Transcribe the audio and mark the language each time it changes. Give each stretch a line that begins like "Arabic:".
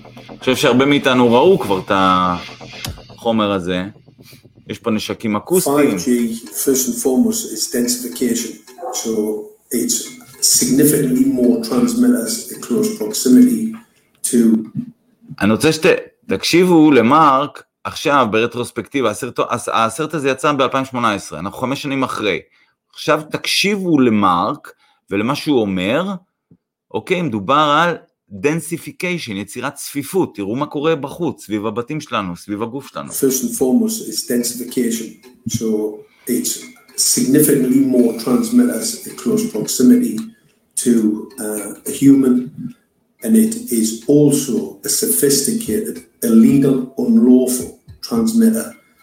Hebrew: אני חושב שהרבה מאיתנו ראו כבר את החומר הזה. יש פה נשקים אקוסטיים.
English: 5G, first and foremost, is densification. So it's significantly more transmitters in close proximity to...
Hebrew: אני רוצה שתקשיבו למרק עכשיו ברטרוספקטיבה. הסרט הזה יצא ב-2018, אנחנו 5 שנים אחרי. עכשיו תקשיבו למרק ולמה שהוא אומר, אוקיי, מדובר על... densification, יצירת צפיפות, תראו מה קורה בחוץ, סביב הבתים שלנו, סביב הגוף שלנו.
English: First and foremost is densification, so it's significantly more transmitters in close proximity to a human, and it is also a sophisticated, illegal, unlawful transmitter.